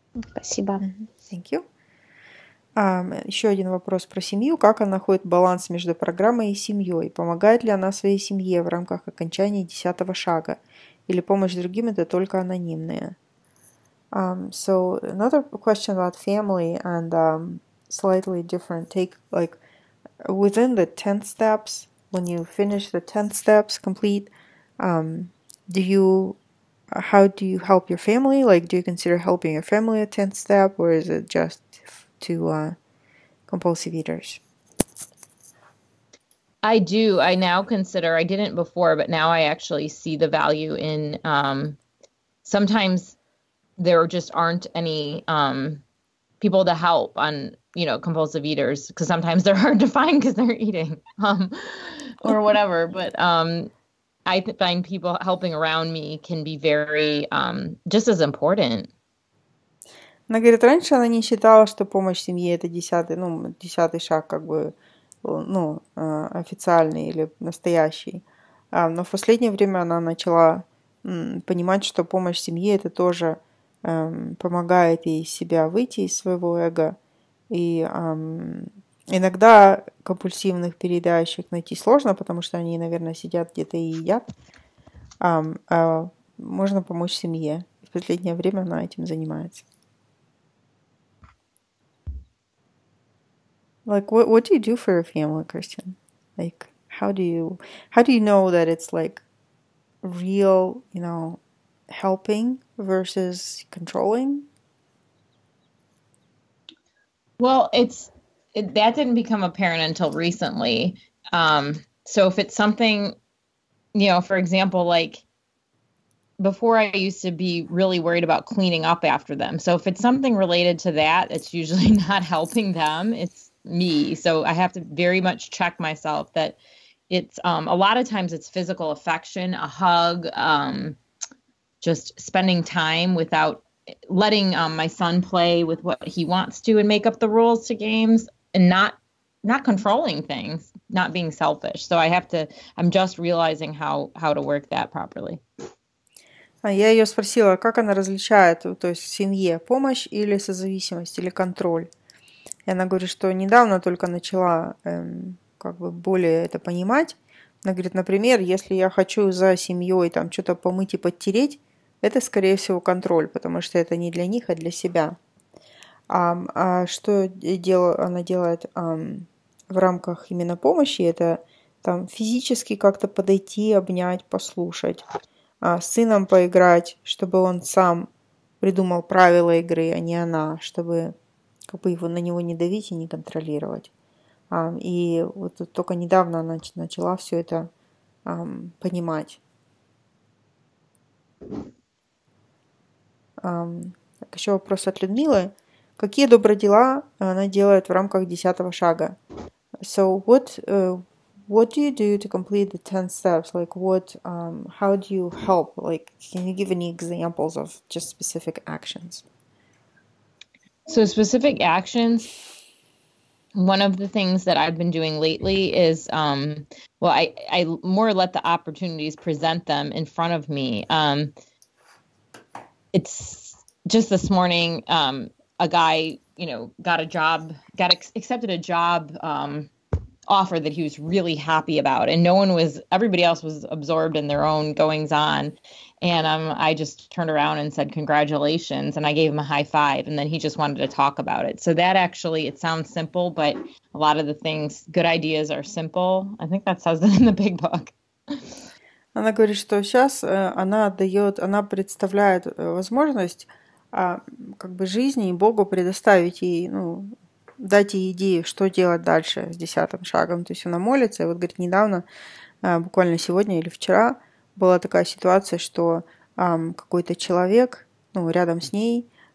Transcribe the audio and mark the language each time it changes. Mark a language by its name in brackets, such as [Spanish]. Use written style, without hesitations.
[Russian] Спасибо. [English] Thank you. [Russian] Еще один вопрос про семью. Как она находит баланс между программой и семьей? Помогает ли она своей семье в рамках окончания 10-го шага? Или помощь другим – это только анонимная? [English] So another question about family and slightly different take, like within the 10 steps, when you finish the 10 steps complete, how do you help your family? Like, do you consider helping your family a 10th step, or is it just to compulsive eaters? I do. I now consider, I didn't before, but now I actually see the value in sometimes there just aren't any people to help on, you know, compulsive eaters, because sometimes they're hard to find because they're eating or whatever. But I find people helping around me can be very just as important. [Russian] Она говорит, раньше она не считала, что помощь семье – это десятый шаг, как бы, ну, официальный или настоящий. Но в последнее время она начала понимать, что помощь семье – это тоже помогает ей себя выйти из своего эго. И иногда компульсивных переедающих найти сложно, потому что они, наверное, сидят где-то и едят. А можно помочь семье. В последнее время она этим занимается. [English] Like, what do you do for your family, Christian? Like, how do you know that it's like real, you know, helping versus controlling? Well, that didn't become apparent until recently. So if it's something, you know, for example, like before I used to be really worried about cleaning up after them. So if it's something related to that, it's usually not helping them. It's me. So I have to very much check myself that it's a lot of times it's physical affection, a hug, just spending time without letting my son play with what he wants to and make up the rules to games and not controlling things, not being selfish. So I'm just realizing how to work that properly. [Russian] Я ее спросила, как она различает, то есть в семье помощь или созависимость, или контроль. И она говорит, что недавно только начала как бы более это понимать. Она говорит, например, если я хочу за семьей там что-то помыть и подтереть, это, скорее всего, контроль, потому что это не для них, а для себя. А что она делает в рамках именно помощи, это там физически как-то подойти, обнять, послушать, с сыном поиграть, чтобы он сам придумал правила игры, а не она, чтобы как бы его на него не давить и не контролировать. И вот только недавно она начала все это понимать. Еще вопрос от Людмилы. Какие добрые дела она делает в рамках 10-го шага? [English] So what do you do to complete the 10 steps? Like what, how do you help? Like, can you give any examples of just specific actions? So specific actions, one of the things that I've been doing lately is, I more let the opportunities present them in front of me. It's just this morning, a guy, you know, accepted a job offer that he was really happy about, and everybody else was absorbed in their own goings on. And I just turned around and said, congratulations. And I gave him a high five. And then he just wanted to talk about it. So that actually, it sounds simple, but a lot of the things, good ideas are simple. I think that says it in the big book. [Russian] Она говорит, что сейчас она представляет возможность как бы жизни и Богу предоставить ей, ну, дать ей идею, что делать дальше с 10-м шагом. То есть она молится. И вот, говорит, недавно, буквально сегодня или вчера, была такая ситуация, что какой-то человек ну, рядом с ней.